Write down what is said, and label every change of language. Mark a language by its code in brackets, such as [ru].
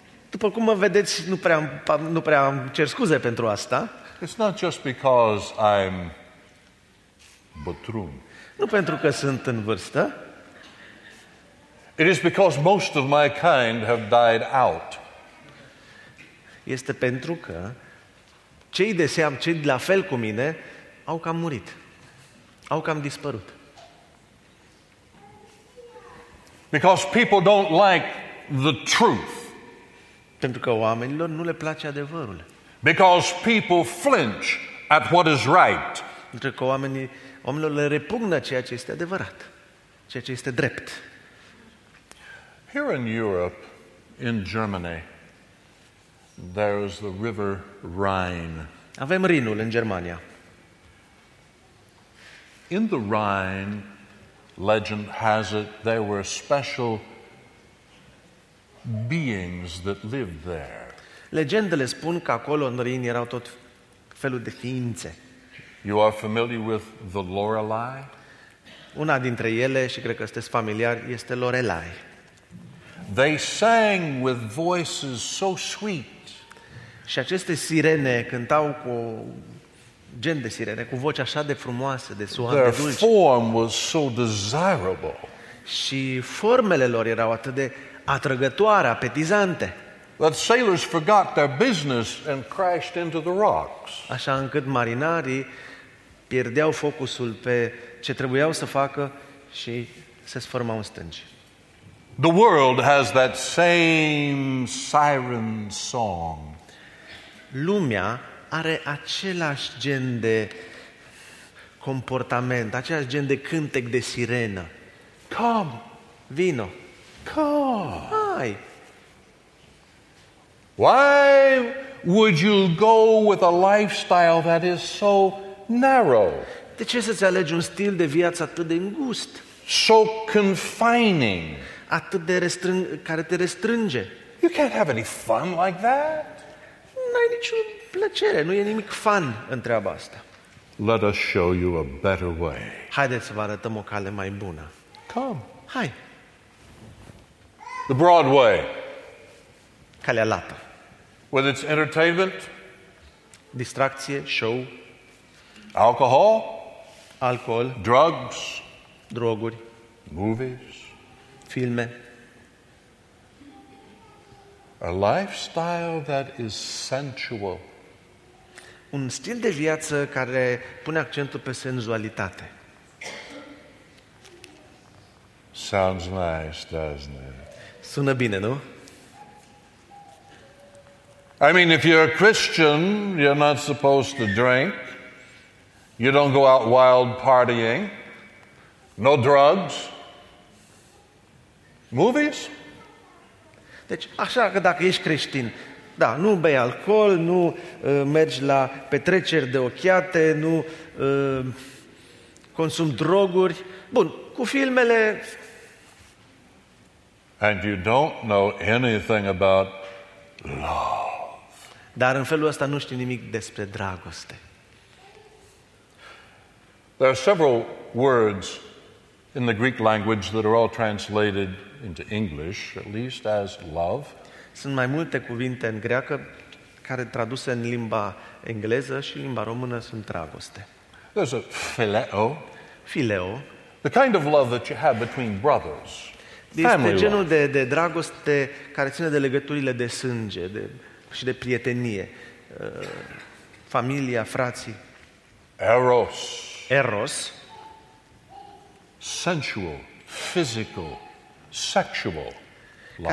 [ro] După cum mă vedeți, nu prea cer scuze pentru asta. [en] It's not just because I'm [ro] bătrân. Nu pentru că sunt în vârstă. [en] It is because most of my kind have died out. [ro] Este pentru că cei de seamă, cei la fel cu mine, au cam murit. Au cam dispărut. [en] Because people don't like the truth. [ro] Pentru că oamenilor nu le place adevărul. [en] Because people flinch at what is right. [ro] Pentru că oamenilor le repugnă ceea ce este adevărat, ceea ce este drept. [en] Here in Europe, in Germany, there is the river Rhine. [ro] Avem Rhinul în Germania. [en] In the Rhine, legend has it, there were special beings that lived there. [ro] Legendele spun că acolo în Rhin erau tot felul de ființe. [en] You are familiar with the Lorelei? [ro] Una dintre ele, și cred că sunteți familiar, este Lorelei. [en] They sang with voices so sweet. [ro] Și aceste sirene cântau cu gen de sirene, cu voce așa de frumoasă, de suan [en] Their [ro] de dulce. [en] Form was so desirable. [ro] Și formele lor erau atât de atrăgătoare, apetizante. [en] But sailors forgot their business and crashed into the rocks. [ro] Așa încât marinarii pierdeau focusul pe ce trebuiau să facă și se sformau în stânci. [en] The world has that same siren song. [ro] Lumea are același gen de comportament, același gen de cântec de sirenă. [en] Come, [ro] vino. [en] Come. [ro] Hai. [en] Why would you go with a lifestyle that is so narrow? [ro] De ce să-ți alegi un stil de viață atât de îngust? [en] So confining. [ro] Atât de care te restrânge. [en] You can't have any fun like that. [ro] N-ai nicio plăcere, nu e nimic fun în treaba asta. [en] Let us show you a better way. [ro] Haideți să vă arătăm o cale mai bună. [en] Come. [ro] Hai. [en] The broad way. [ro] Calea lată. [en] With its entertainment. [ro] Distracție, show. [en] Alcohol. [ro] Alcool. [en] Drugs. [ro] Droguri. [en] Movies. [ro] Filme. [en] A lifestyle that is sensual. [ro] Un stil de viață care pune accentul pe senzualitate. [en] Sounds nice, doesn't it? [ro] Sună bine, nu? [en] I mean, if you're a Christian, you're not supposed to drink. You don't go out wild partying. No drugs. Movies? [ro] Deci, așa că dacă ești creștin, da, nu bei alcool, nu mergi la petreceri de ochiate, nu consumi droguri. Bun, cu filmele... [en] And you don't know anything about love. [ro] Dar în felul ăsta nu știi nimic despre dragoste. [en] There are several words in the Greek language that are all translated into English, at least as love. [ro] Sunt mai multe cuvinte în greacă care traduse în limba engleză și limba română sunt dragoste. [en] There's a phileo. [ro] Phileo. [en] The kind of love that you have between brothers. [ro] Este genul de dragoste care ține de legăturile de sânge și de prietenie. Familia, frații. [en] Eros. [ro] Eros. [en] Sensual, physical, sexual love.